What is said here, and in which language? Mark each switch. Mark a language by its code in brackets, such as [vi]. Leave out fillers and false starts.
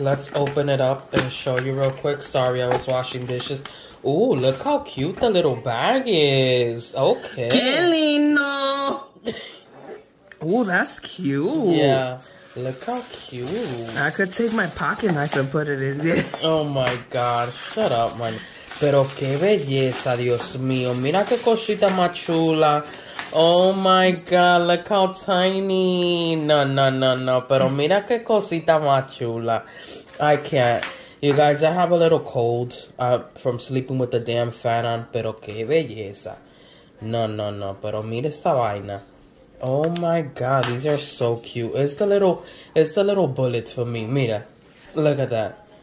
[en] Let's open it up and show you real quick. Sorry, I was washing dishes. Oh, look how cute the little bag is. Okay. Gelino. Oh, that's cute. Yeah. Look how cute. I could take my pocket knife and put it in there. Oh my God. Shut up, man. [es] Pero qué belleza, Dios mío. Mira qué cosita más chula. [en] Oh my God. Look how tiny. [es] No, no, no, no. Pero mira qué cosita más chula. [en] I can't. You guys, I have a little cold from sleeping with the damn fan on. [es] Pero qué belleza. No, no, no. Pero mira esta vaina. [en] Oh my God, these are so cute. It's the little bullets for me. Mira, look at that.